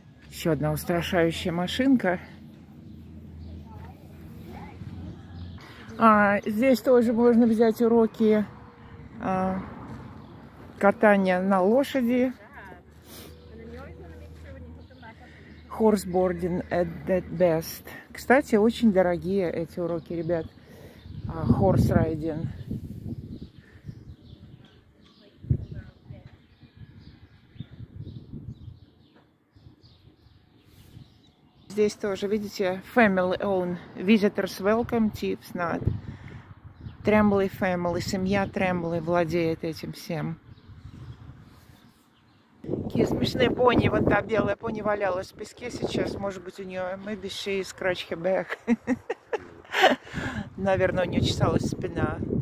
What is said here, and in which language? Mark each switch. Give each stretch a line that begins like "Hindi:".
Russian: Еще одна устрашающая машинка. А, здесь тоже можно взять уроки катания на лошади.
English: Horseboarding at the best.
Russian: Кстати, очень дорогие эти уроки, ребят.
English: Horse riding.
Russian: Здесь тоже, видите,
English: family own. Visitors welcome, tips not.
Russian: Tremblay family, семья Tremblay владеет этим всем. Какие смешные пони. Вот та белая пони валялась в песке сейчас. Может быть, у нее
English: maybe she is scratch her back.
Russian: Наверное, у нее чесалась спина.